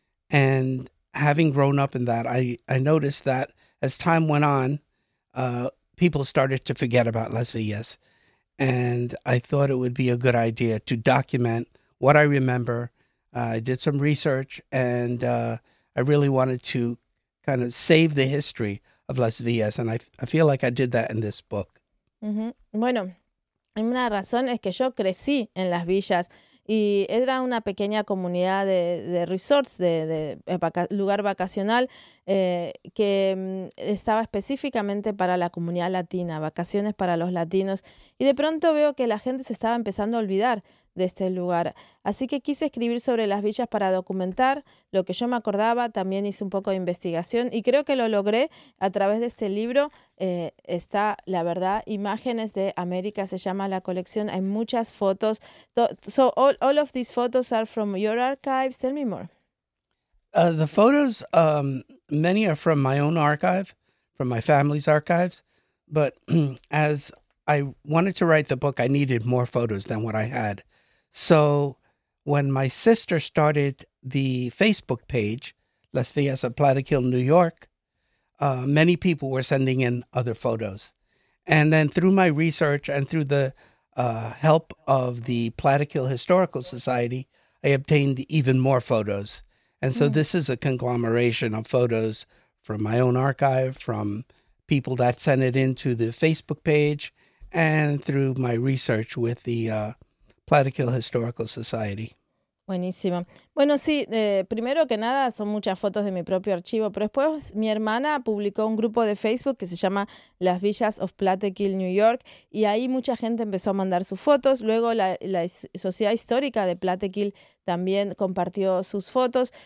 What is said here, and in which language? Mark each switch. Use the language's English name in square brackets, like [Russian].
[English] And having grown up in that, I noticed that as time went on, people started to forget about Las Villas. And I thought it would be a good idea to document what I remember. I did some research, and I really wanted to kind of save the history of Las Villas. And I feel like I did that in this book. [Spanish] Mm-hmm. Bueno, una razón es que yo crecí en Las Villas y era una pequeña comunidad de resorts, lugar vacacional, que estaba específicamente para la comunidad latina, vacaciones para los latinos. Y de pronto veo que la gente se estaba empezando a olvidar de este lugar. Así que quise escribir sobre las villas para documentar lo que yo me acordaba. También hice un poco de investigación y creo que lo logré a través de este libro. Está, la verdad, Imágenes de América, se llama la colección. Hay muchas fotos. [English] So all of these photos are from your archives. Tell me more. The photos, many are from my own archive, from my family's archives. But as I wanted to write the book, I needed more photos than what I had. So when my sister started the Facebook page, Las Villas of Plattekill, New York, many people were sending in other photos. And then through my research and through the help of the Plattekill Historical Society, I obtained even more photos. And so this is a conglomeration of photos from my own archive, from people that sent it into the Facebook page, and through my research with the Plattekill Historical Society. [Spanish] Buenísimo. Bueno, sí, primero que nada son muchas fotos de mi propio archivo, pero después mi hermana publicó un grupo de Facebook que se llama Las Villas of Plattekill, New York, y ahí mucha gente empezó a mandar sus fotos. Luego la Sociedad Histórica de Plattekill también compartió sus fotos.